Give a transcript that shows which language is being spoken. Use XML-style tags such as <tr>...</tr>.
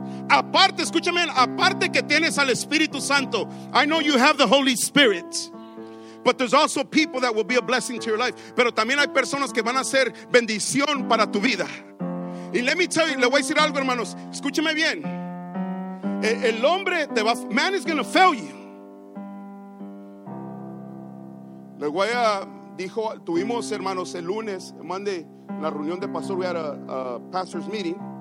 <es>Aparte, escúchame, aparte que tienes al Espíritu Santo.</es> <en>I know you have the Holy Spirit. But there's also people that will be a blessing to your life.</en> <es>Pero también hay personas que van a ser bendición para tu vida. Y</es> <en>let me tell you,</en> <es>le voy a decir algo, hermanos. Escúcheme bien. El hombre te va,</es> <en>man is going to fail you.</en> <es>Le voy a, dijo, tuvimos, hermanos, el lunes, mandé la reunión de pastor,</es> <en>we had a pastor's meeting.</en>